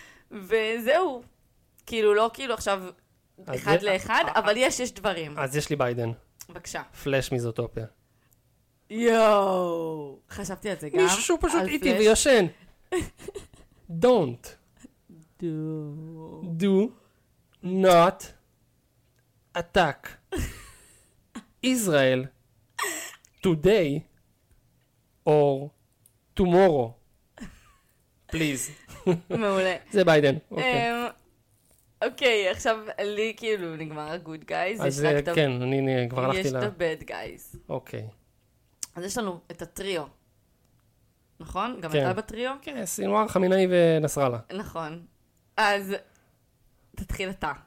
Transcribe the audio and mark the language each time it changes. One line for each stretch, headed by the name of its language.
Hebrew: וזהו. כאילו, לא כאילו עכשיו... אחד לאחד, אבל יש דברים. אז יש לי ביידן. בבקשה. פלאש מיזוטופיה. יואו, חשבתי על זה גם. מישהו שהוא פשוט איתי ויושן.
English: Don't. Do. Do not attack Israel today or tomorrow. Please.
Hebrew: מעולה. זה ביידן. אוקיי, עכשיו לי כאילו נגמר ה-
English: good guys.
Hebrew: אז כן, אני כבר הלכתי לה. יש את ה-
English: bad guys.
Hebrew: אוקיי. אז יש לנו את הטריו. נכון? גם אתה בטריו? כן, סינואר, חמינאי ונסראללה. נכון. אז תתחיל אתה.